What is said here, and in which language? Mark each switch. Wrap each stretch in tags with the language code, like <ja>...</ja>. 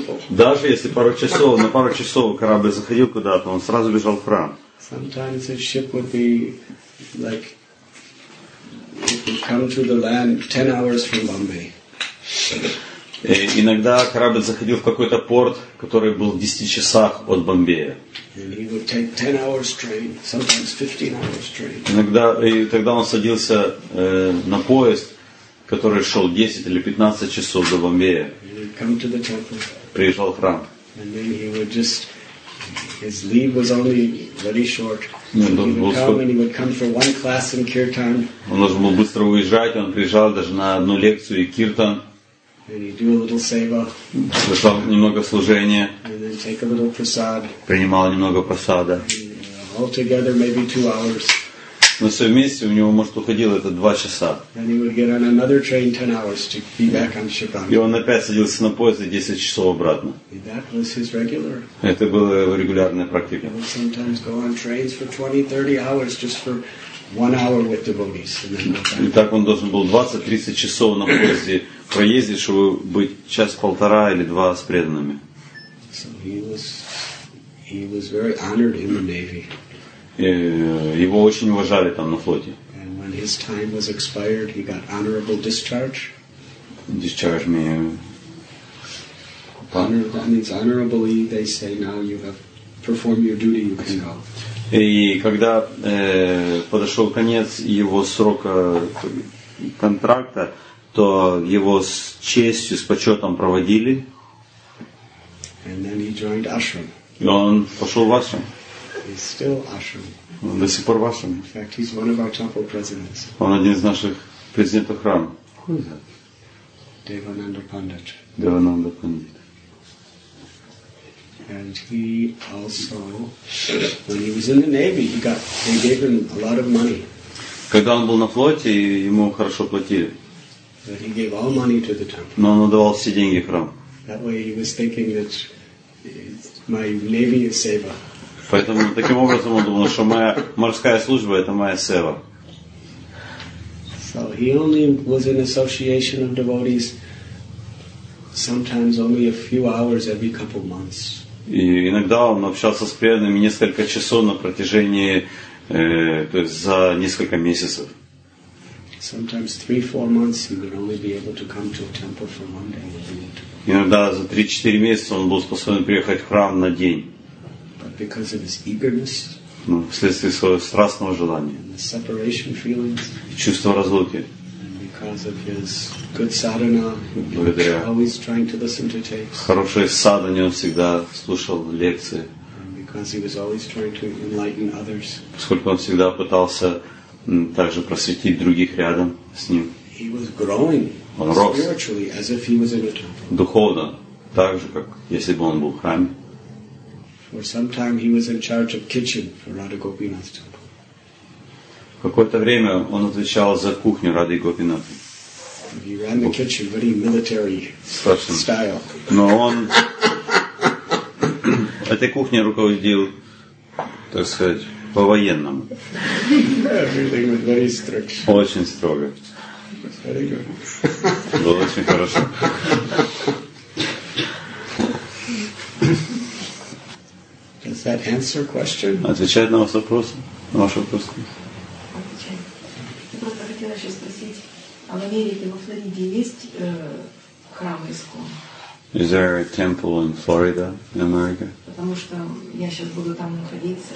<ru>Даже если пару часов, на пару часов корабль заходил куда-то, он сразу бежал в храм.</ru> <en>Sometimes his ship would be like come to the land 10 hours from Bombay.</en> <ru>Иногда корабль заходил в какой-то порт, который был в 10 часах от Бомбея.</ru> <en>And he would take 10 hours train, sometimes 15 hours train.</en> <ru>Иногда, и тогда он садился на поезд, который шел 10 или 15 часов до Бомбея.</ru> <en>And he'd come to the temple.</en> <ru>Приезжал в храм.</ru> <en>And then he would just, his leave was only very short.</en> <ru>Он должен был быстро уезжать, он приезжал даже на одну лекцию и киртан. Совершал немного служения.</ru> <en>And then take a little prasad.</en> <ru>Принимал немного прасада.</ru> <en>Altogether maybe 2 hours.</en> <ru>Но все вместе у него может уходило это 2 часа.</ru> <en>And he would get on another train 10 hours to be back on Shibani.</en> <ru>И он опять садился на поезд и 10 часов обратно.</ru> <en>And that was his regular.</en> <ru>Это было его регулярная практика.</ru> <en>He would sometimes go on trains for 20-30 hours just for 1 hour with devotees.</en> <ru>И так он должен был 20-30 часов на поезде проездить, чтобы быть 1.5 часа или 2 с преданными.</ru> <en>So he was very honored in the Navy.</en> <ru>Его очень уважали там на флоте.</ru> <en>And when his time was expired, he got honorable discharge. Discharge means honorably, they say, now you have performed your duty, you can go.</en> <ru>И когда подошел конец его срока контракта, то его с честью, с почетом проводили.</ru> <en>And then he joined ashram.</en> <ru>И он пошел в ашрам.</ru> <en>He's still ashram.</en> <ru>Он до сих пор в ашраме.</ru> <en>In fact, he's one of our temple presidents.</en> <ru>Он один из наших президентов храма.</ru> <en>Who is that? Devananda Pandit. Devananda Pandit. And he also, when he was in the Navy, they gave him a lot of money.</en> <ru>Когда он был на флоте, ему хорошо платили.</ru> <en>But he gave all money to the temple.</en> <ru>Но он отдавал все деньги храму.</ru> <en>That way he was thinking that my Navy is seva.</en> <ru>Поэтому таким образом он думал, что моя морская служба — это моя сева.</ru> <en>So he only was in association of devotees sometimes only a few hours every couple months.</en> <ru>И иногда он общался с преданными несколько часов на протяжении, то есть за несколько месяцев.</ru> <en>Sometimes 3-4 months he would only be able to come to a temple for one day.</en> <ru>Иногда за 3-4 месяца он был способен приехать в храм на день.</ru> <en>Because of his eagerness,</en> <ru>ну, вследствие своего страстного желания,</ru> <en>and the separation feelings,</en> <ru>и чувство разлуки,</ru> <en>and because of his good sadhana,</en> <ru>благодаря</ru> <en>always trying to listen to tapes,</en> <ru>хорошей садхане, он всегда слушал лекции,</ru> <en>and because he was always trying to enlighten others,</en> <ru>поскольку он всегда пытался также просветить других рядом с ним,</ru> <en>he was growing spiritually as if he was in a temple.</en> <ru>Духовно, так же, как если бы он был в храме.</ru> <en>For some time he was in charge of kitchen for Radha Gopinath's temple.</en> <ru>Какое-то время он отвечал за кухню Рады Гопинаты.</ru> <en>He ran the kitchen very military style.</en> <ru>Но он этой кухней руководил, так сказать, по-военному.</ru> <en>Everything was very strict.</en> <ru>Очень строго.</ru> <en>Very good.</en> <ru>Было очень хорошо.</ru> <en>Does that answer question?</en> <ru>Отвечает на ваш вопрос? На ваш вопрос? Отвечает. Я просто хотела еще спросить, а в Америке, во Флориде есть храм ИСКОН?</ru> <en>Is there a temple in Florida, in America?</en> <ru>Потому что я сейчас буду там находиться.</ru>